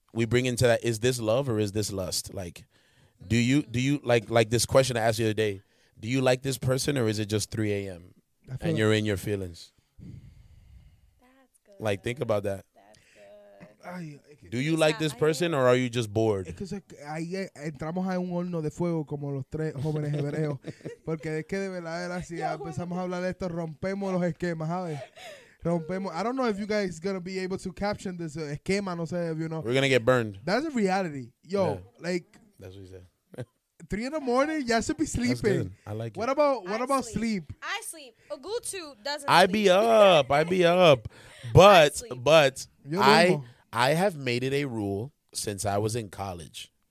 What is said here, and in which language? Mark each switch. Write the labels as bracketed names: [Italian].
[English] We bring into that, is this love or is this lust? Like, do you like this question I asked you the other day, do you like this person or is it just 3 a.m. and like you're in your feelings? That's good. Like, think about that. That's good. Do you like this person or are you just bored? [Spanish] Es que entramos en un horno de fuego como los tres jóvenes hebreos. Porque es que de verdad era así. Empezamos a hablar de esto, rompemos los esquemas, ¿sabes? Rompemos. [English] I don't know if you guys are going to be able to caption this esquema, [Spanish] no sé, [English] you know. We're going to get burned. That's a reality. Yo, yeah. Like. That's what he said. 3 in the morning, y'all should be sleeping. That's good. I like it. What about sleep? I sleep. Ogutu doesn't sleep. I be up. But I have made it a rule since I was in college.